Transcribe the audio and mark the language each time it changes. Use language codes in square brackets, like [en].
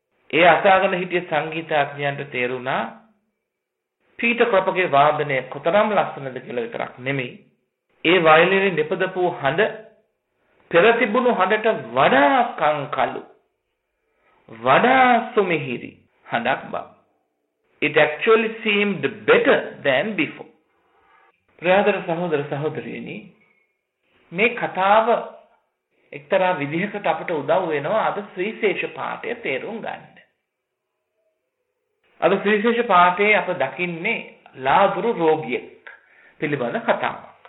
[si] ඒ අසාගෙන හිටිය සංගීතඥයන්ට තේරුණා පීටර් ක්‍රොපර්ගේ වාදනය කොතරම් ලස්සනද කියලා විතරක් නෙමෙයි, ඒ වයලීනේ නිපදවපු හඬ පෙර තිබුණු හඬට වඩා කංකලු, වඩා සුමිහිරි හඬක් බව. [en] It actually seemed better than before. [si] ප්‍රියතර සහෝදර සහෝදරියනි, මේ කතාව එක්තරා විදිහකට අපට උදව් වෙනවා අද සවිශේෂ පාඩය තේරුම් ගන්න. අද සවිශේෂ පාඩේ අප දකින්නේ ලාදුරු රෝගියෙක් පිළිබඳ කතාවක්.